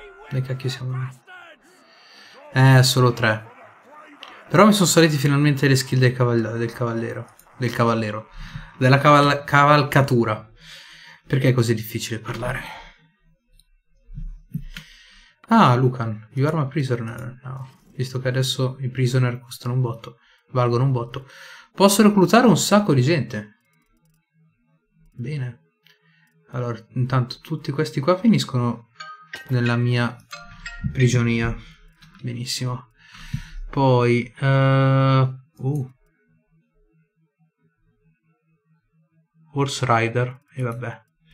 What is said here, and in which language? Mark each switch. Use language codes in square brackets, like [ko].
[it] Dove cacchio siamo? Solo tre. Però mi sono salite finalmente le skill della cavalcatura. Perché è così difficile parlare? [en] Ah, Lucan, you are my prisoner now. [it] Visto che adesso i prisoner costano un botto, valgono un botto, posso reclutare un sacco di gente. Bene. Allora, intanto tutti questi qua finiscono nella mia prigionia. Benissimo. Poi, Horse Rider, e vabbè.